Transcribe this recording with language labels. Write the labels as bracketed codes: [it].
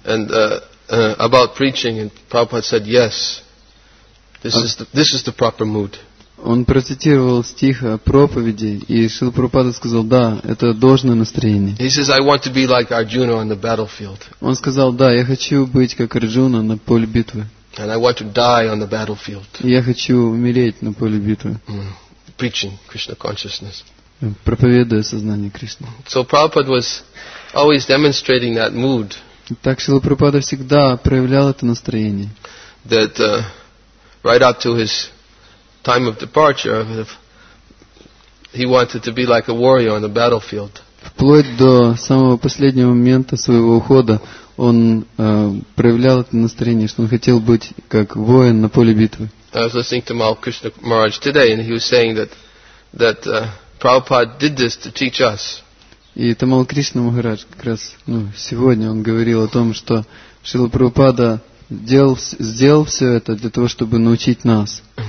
[en] And about preaching, and Prabhupada said, "Yes, this is the proper mood." [ru] Он процитировал стих о проповеди, и Шрила Прабхупада сказал, "Да, это должное настроение." [en] He says, "I want to be like Arjuna on the battlefield." [ru] Он сказал, "Да, я хочу быть как Арджуна на поле битвы." [en] And I want to die on the battlefield. [ru] Я хочу умереть на поле битвы. [en] Preaching Krishna consciousness. [ru] Проповедуя сознание Кришны. [en] So Prabhupada was always demonstrating that mood. [ru] Так Шрила Прабхупада всегда проявлял это настроение. [en] That right up to his time of departure, he wanted to be like a warrior on the battlefield. [ru] Вплоть до самого последнего момента своего ухода. Он проявлял это настроение, что он хотел быть как воин на поле битвы. [en] I was listening to Tamal Krishna Maharaj today, and he was saying that Prabhupada did this to teach us. [ru] И Tamal Krishna Maharaj как раз сегодня он говорил о том, что Шрила Прабхупада сделал все это для того, чтобы научить нас.